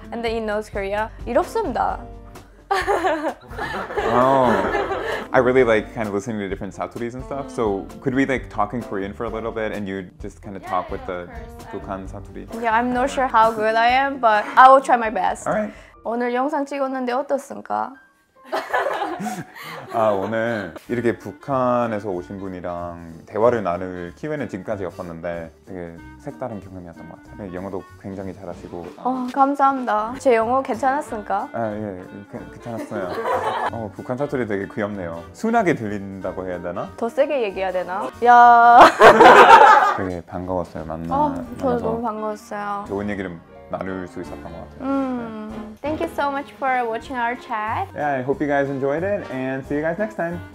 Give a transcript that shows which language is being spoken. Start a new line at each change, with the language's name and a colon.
English: And then in North Korea,
Korean: 이롭습니다.
English: Oh. I really like kind of listening to different saturis and stuff. So could we like talk in Korean for a little bit and you just kind of talk with the Dukhan saturi? Yeah, I'm not sure how good I am, but I will try my best. All right.
Korean: 오늘 영상 찍었는데 어떻습니까? 아, 오늘 이렇게 북한에서 오신 분이랑 대화를 나눌 기회는 지금까지 없었는데 되게 색다른 경험이었던 것 같아요. 영어도 굉장히 잘하시고. 어, 감사합니다. 제 영어 괜찮았습니까? 아, 예, 괜찮았어요. 어, 북한 사투리 되게 귀엽네요. 순하게 들린다고 해야 되나? 더 세게 얘기해야 되나? 야. 되게 반가웠어요, 만나서. 저도 너무 반가웠어요. 좋은 얘기를 나눌 수 있었던 것 같아요.
English: Thank you so much for watching our chat. Yeah, I hope you guys enjoyed it and see you guys next time.